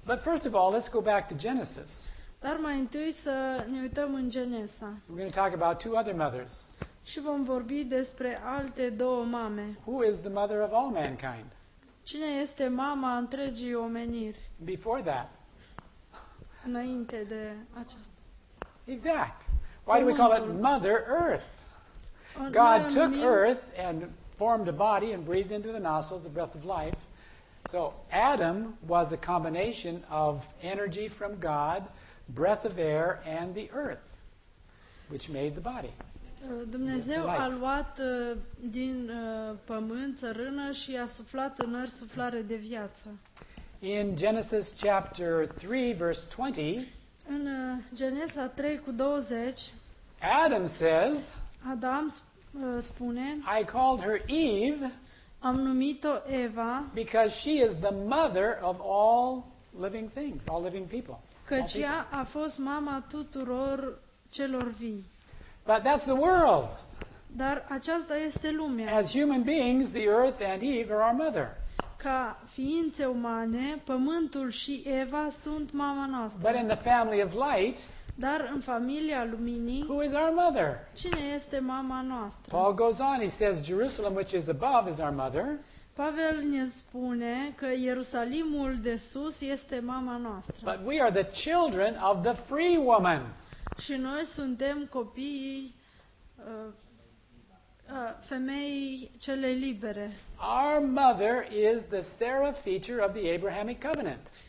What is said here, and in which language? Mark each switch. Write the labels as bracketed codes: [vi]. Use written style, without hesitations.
[en] But first of all, let's go back to Genesis. [ro] Dar mai întâi să ne uităm în Genesa. [en] We're going to talk about two other mothers. [ro] Și vom vorbi despre alte două mame. [en] Who is the mother of all mankind? [ro] Cine este mama întregii omeniri? [en] Before that. [ro] Înainte de aceasta. [en] Exact. Why do we call it Mother Earth? God took Earth and formed a body and breathed into the nostrils the breath of life. So Adam was a combination of energy from God, breath of air, and the earth, which made the body. [ro] Dumnezeu a luat din pământ țărână și a suflat în aer suflare de viață. [en] In Genesis chapter 3, verse 20, [ro] în Geneza 3 cu 20, [en] Adam says, [ro] Adam spune, [en] I called her Eve, [ro] am numit-o Eva, [en] because she is the mother of all living things, all living people. [ro] Căci ea a fost mama tuturor celor vii. [en] But that's the world. [ro] Dar aceasta este lumea. [en] As human beings, the earth and Eve are our mother. [ro] Ca ființe umane, pământul și Eva sunt mama noastră. [en] But in the family of light, [ro] dar în familia luminii, [en] who is our mother? [ro] Cine este mama noastră? [en] Paul goes on, he says, Jerusalem which is above is our mother. [ro] Pavel ne spune că Ierusalimul de sus este mama noastră. [en] But we are the children of the free woman. [ro] Și noi suntem copiii femeii cele libere. [en] Our mother is the Sarah feature of the Abrahamic covenant.